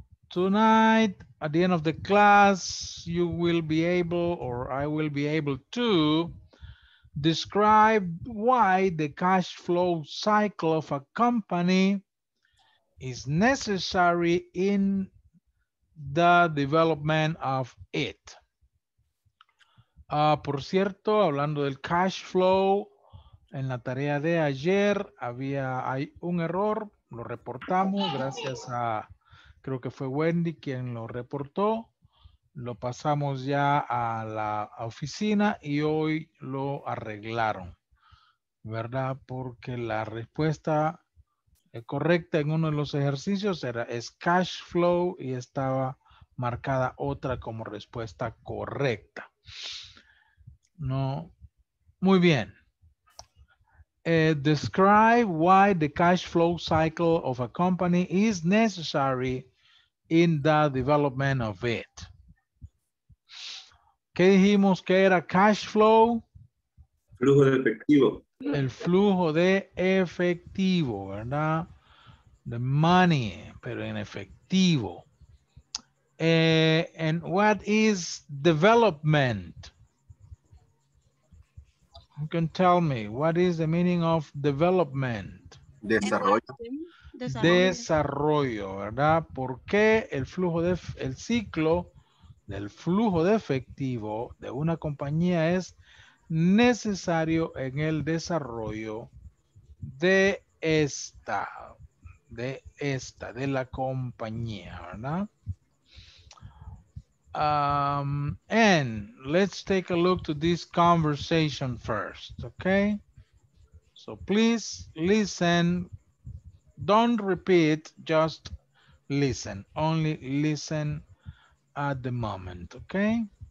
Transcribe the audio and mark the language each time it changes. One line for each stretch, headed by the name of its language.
English: Tonight, at the end of the class, you will be able, or I will be able to, describe why the cash flow cycle of a company is necessary in the development of it.
Spanish: Por cierto, hablando del cash flow, en la tarea de ayer hay un error, lo reportamos gracias a, creo que fue Wendy quien lo reportó, lo pasamos ya a la oficina y hoy lo arreglaron, ¿verdad? Porque la respuesta correcta en uno de los ejercicios era es cash flow y estaba marcada otra como respuesta correcta. No, muy bien.
English: Describe why the cash flow cycle of a company is necessary in the development of it.
Spanish: ¿Qué dijimos que era cash flow? Flujo de efectivo. El flujo de efectivo, ¿verdad?
English: The money,
Spanish: pero en efectivo.
English: And what is development? You can tell me, what is the meaning of development?
Spanish: Desarrollo. Desarrollo, ¿verdad? ¿Por qué el ciclo del flujo de efectivo de una compañía es necesario en el desarrollo de la compañía, ¿verdad?
English: And let's take a look to this conversation first, okay? So please listen. Don't repeat, just listen. Only listen at the moment, okay?